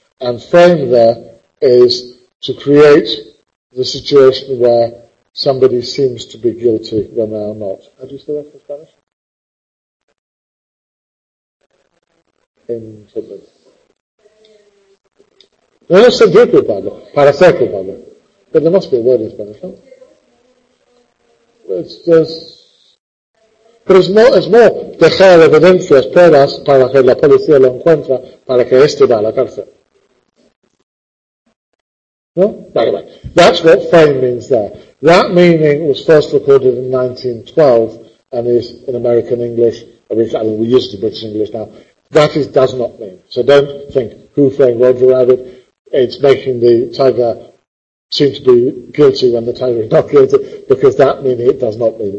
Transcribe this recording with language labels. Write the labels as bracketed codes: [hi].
[en] And frame there is to create the situation where somebody seems to be guilty when they are not. How do you say that in Spanish? [es] No, no, sentir culpable, para ser culpable. [en] But there must be a word in Spanish, no? It's just... But it's more [es] dejar evidencias, pruebas, para que la policía lo encuentra, para que este va a la cárcel. [en] No? Right, right. That's what frame means there. That meaning was first recorded in 1912 and is in American English, we use the British English now. That is does not mean. So don't think who framed Roger Rabbit. It's making the tiger seem to be guilty when the tiger is not guilty, because that meaning it does not mean.